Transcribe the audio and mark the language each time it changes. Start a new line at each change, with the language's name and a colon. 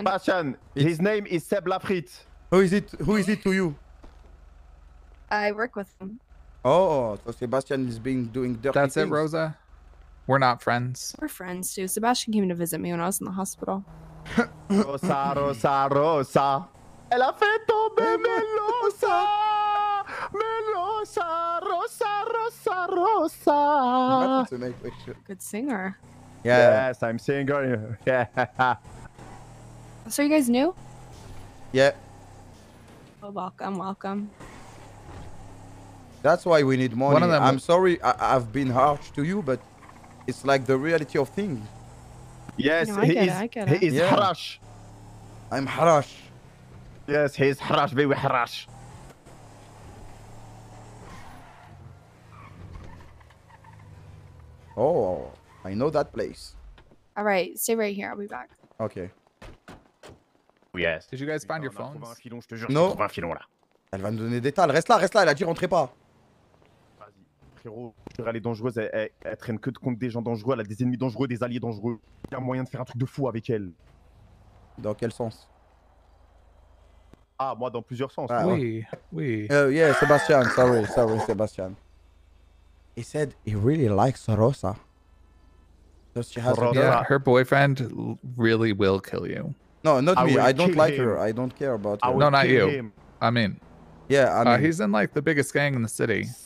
English: Sebastian, his name is Seb Lafritte. Who is it to you? I work with him. Oh, so Sebastian is doing dirty things. That's it, Rosa? We're not friends. We're friends, too. Sebastian came to visit me when I was in the hospital. Rosa.
French: Elle a fait tomber Melosa, Rosa.
English: Good singer. Yes, I'm singer. So are you guys new? Yeah. Oh, welcome. That's why we need money. I'm sorry, I've been harsh to you, but it's like the reality of things. Yes, no, I get it. He is harsh. I'm harsh. Yes, he's harsh, very harsh. Oh, I know that place. All right, stay right here. I'll be back. Okay. Yes. Did you guys find your phones? No.
French: Elle va nous donner des tales. Reste là. Elle a dit rentrez pas. Vas-y, frérot. Je dirais, elle est dangereuse. Elle traîne que contre des gens dangereux. Elle a des ennemis dangereux, des alliés dangereux. Il y a moyen de faire un truc de fou avec elle. Dans quel sens? Ah, moi, dans plusieurs sens. Oui.
English: Yeah, Sebastian. Sorry, Sebastian. He said he really likes Rosa. Does she have Rosa? Yeah, her boyfriend really will kill you. No, not me. I don't like her. I don't care about her. No, not you. I mean. Yeah, I mean. He's in, like, the biggest gang in the city.